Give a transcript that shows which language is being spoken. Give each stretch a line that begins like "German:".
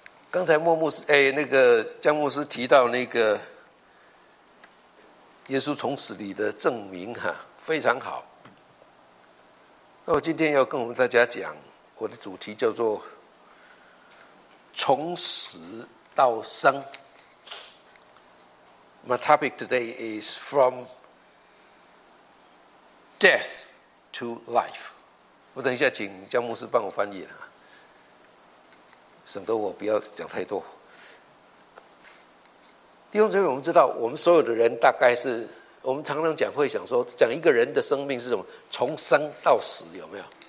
Chinese: 刚才莫牧师那个江牧师提到那个耶稣从死里的证明哈，非常好。那我今天要跟我们大家讲，我的主题叫做从死到生。
English: My topic today is from death to life.
Chinese: 我等一下请江牧师帮我翻译啊，省得我不要讲太多。弟兄姊妹，我们知道，我们所有的人大概是，我们常常讲会想说，讲一个人的生命是什么，从生到死，有没有？